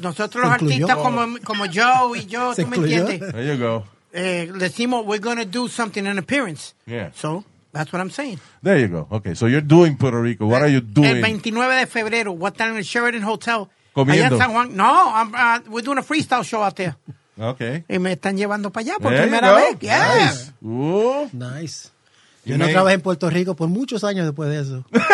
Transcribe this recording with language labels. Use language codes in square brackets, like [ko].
[es] Nosotros los artistas como yo y yo, tú me entiendes. [en] There you go. [es] Decimos [en] we're going to do something, an appearance. Yeah. So... That's what I'm saying. There you go. Okay, so you're doing Puerto Rico. What are you doing? [es] El 29 de febrero. [en] What time in the Sheraton Hotel? [es] Comiendo. Allá en San Juan. [en] No, we're doing a freestyle show out there. Okay. [es] Y me están llevando para allá por primera vez. [en] Nice. Yeah. Nice. [es] Yo no trabajé en Puerto Rico por muchos años después de eso.